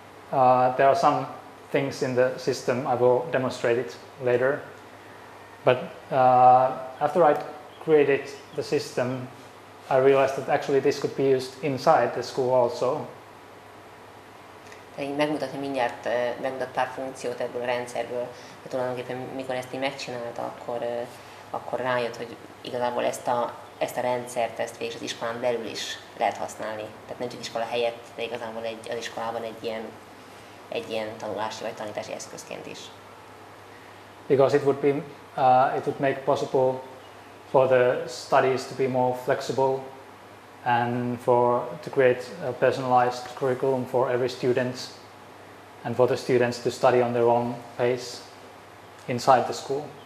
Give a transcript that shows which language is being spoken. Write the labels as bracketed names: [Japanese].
[English] There are some things in the system, I will demonstrate it later. But after I created the system, I realized that actually this could be used inside the school also. [Hungarian] Én megmutatom mindjárt, megmutat pár funkciót ebből a rendszerből, de tulajdonképpen mikor ezt így megcsinálta, akkor rájött, hogy igazából ezt a rendszert, ezt végig az iskolán belül is lehet használni. Tehát nem csak iskola helyett, de igazából az iskolában egy ilyen tanulási vagy tanítási eszközként is. [English] Because it would make possible for the studies to be more flexible and to create a personalized curriculum for every student and for the students to study on their own pace inside the school.